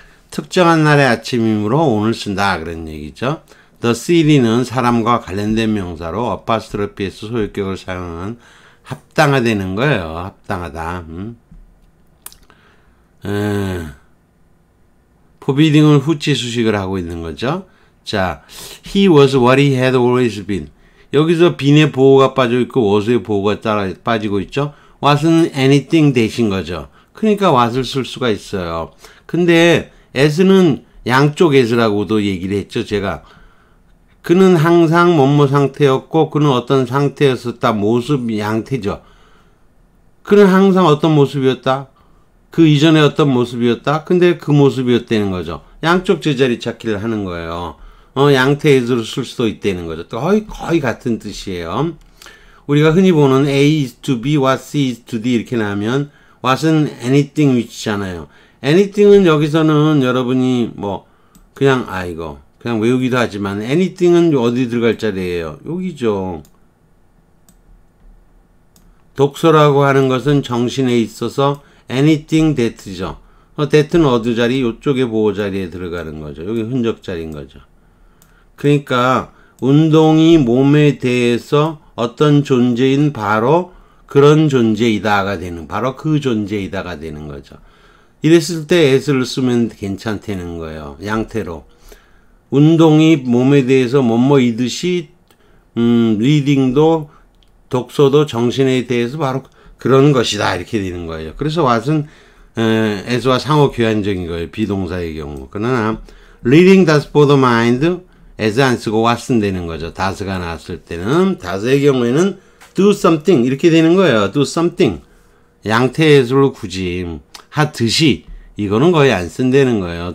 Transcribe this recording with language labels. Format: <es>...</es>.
<ko>특정한 날의 아침이므로 오늘 쓴다 그런 얘기죠. The city는 사람과 관련된 명사로 apostrophe에서 소유격을 사용하는 합당화되는 거예요. 합당하다. Forbidding은 후치 수식을 하고 있는 거죠. 자,</ko> <en>he was what he had always been.</en> <ko>여기서 been의 보호가 빠져 있고 was의 보호가 따라 빠지고 있죠. was는 anything 대신 거죠. 그러니까 was를 쓸 수가 있어요. 근데 as는 양쪽 as라고도 얘기를 했죠. 제가 그는 항상 뭐뭐 상태였고 그는 어떤 상태였었다 모습 양태죠. 그는 항상 어떤 모습이었다. 그 이전에 어떤 모습이었다? 근데 그 모습이었다는 거죠. 양쪽 제자리 찾기를 하는 거예요. 양태 as로 쓸 수도 있다는 거죠. 거의 같은 뜻이에요.</ko> <en>우리가 흔히 보는 A is to B, what C is to D</en> <ko>이렇게 나오면</ko> <en>what은 anything which잖아요.</en> <ko>anything은 여기서는 여러분이 뭐 그냥 아 이거 그냥 외우기도 하지만 anything은 어디 들어갈 자리예요? 여기죠. 독서라고 하는 것은 정신에 있어서 anything that죠. that는 어디 자리? 이쪽의 보호 자리에 들어가는 거죠. 여기 흔적 자리인 거죠. 그러니까 운동이 몸에 대해서 어떤 존재인 바로 그런 존재이다가 되는 바로 그 존재이다가 되는 거죠. 이랬을 때 as를 쓰면 괜찮다는 거예요. 양태로. 운동이 몸에 대해서 뭐뭐이듯이 리딩도 독서도 정신에 대해서 바로 그런 것이다 이렇게 되는 거예요. 그래서 what은 as와 상호 교환적인 거예요. 비동사의 경우. 그러나</ko> <en>reading does for the mind as</en> <ko>안 쓰고</ko> <en>what은</en> <ko>되는 거죠. does가 나왔을 때는 does의 경우에는 do something 이렇게 되는 거예요. do something 양태의 as로 굳이 하듯이 이거는 거의 안 쓴다는 거예요.</ko>